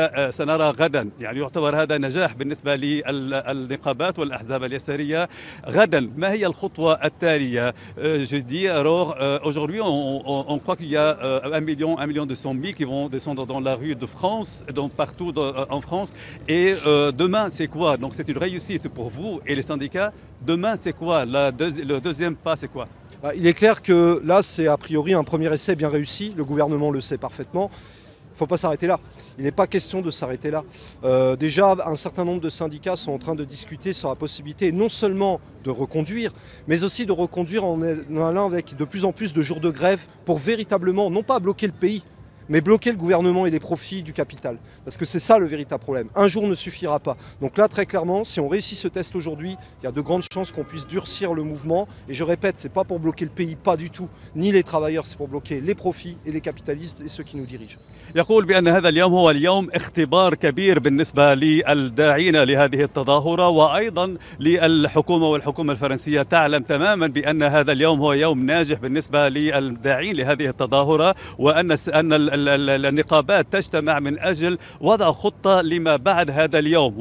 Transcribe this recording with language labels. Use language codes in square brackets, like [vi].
[ar] سنرى غدا؟ يعني يعتبر هذا نجاح بالنسبه للنقابات والاحزاب اليساريه، غدا ما هي الخطوه التاليه؟ جدي [fr] alors aujourd'hui on croit qu'il y a 1 million 200 000 qui vont descendre dans la rue de France donc partout en France et demain c'est quoi donc c'est une réussite pour vous et les syndicats demain c'est quoi le deuxième pas c'est quoi il est clair que là c'est a priori un premier essai bien réussi le gouvernement le sait parfaitement. Il ne faut pas s'arrêter là. Il n'est pas question de s'arrêter là. Déjà, un certain nombre de syndicats sont en train de discuter sur la possibilité non seulement de reconduire, mais aussi de reconduire en allant avec de plus en plus de jours de grève pour véritablement, non pas bloquer le pays, mais bloquer le gouvernement et les profits du capital. Parce que c'est ça le véritable problème. Un jour ne suffira pas. Donc là, très clairement, si on réussit ce test aujourd'hui, il y a de grandes chances qu'on puisse durcir le mouvement. Et je répète, ce n'est pas pour bloquer le pays, pas du tout. Ni les travailleurs, c'est pour bloquer les profits et les capitalistes et ceux qui nous dirigent. [ar] يقول بأن هذا اليوم هو اليوم اختبار كبير بالنسبة للداعين لهذه التظاهرة وأيضا للحكومة، والحكومة الفرنسية تعلم تماما بأن هذا اليوم هو يوم ناجح بالنسبة للداعين لهذه التظاهرة، وأن النقابات تجتمع من أجل وضع خطة لما بعد هذا اليوم.